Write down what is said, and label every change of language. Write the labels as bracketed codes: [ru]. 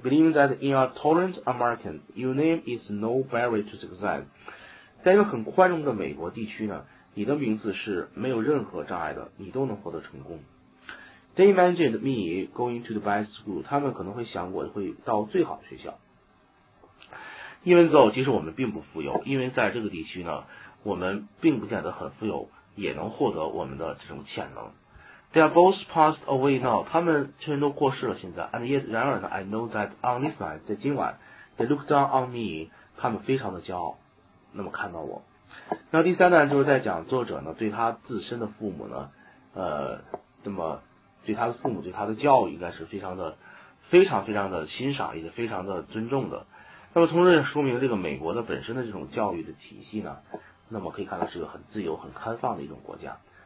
[en] Believing that in a tolerant American, your name is no barrier to success. [zh] 在一个很宽容的美国地区呢，你的名字是没有任何障碍的，你都能获得成功。 [en] They imagined me going to the best school. [zh] 他们可能会想我会到最好的学校。 [en] Even though, [zh] 即使我们并不富有，因为在这个地区呢，我们并不见得很富有，也能获得我们的这种潜能。 [en] They are both passed away now. [zh] 他们却都过世了现在。 [en] And yet, [zh] 然而呢 [en] I know that on this night, [zh] 在今晚 [en] they look down on me. [zh] 他们非常的骄傲，那么看到我。那第三段就是在讲作者呢对他自身的父母呢，那么对他的父母对他的教育应该是非常的非常非常的欣赏，也是非常的尊重的。那么从这说明这个美国的本身的这种教育的体系呢，那么可以看到是个很自由很开放的一种国家。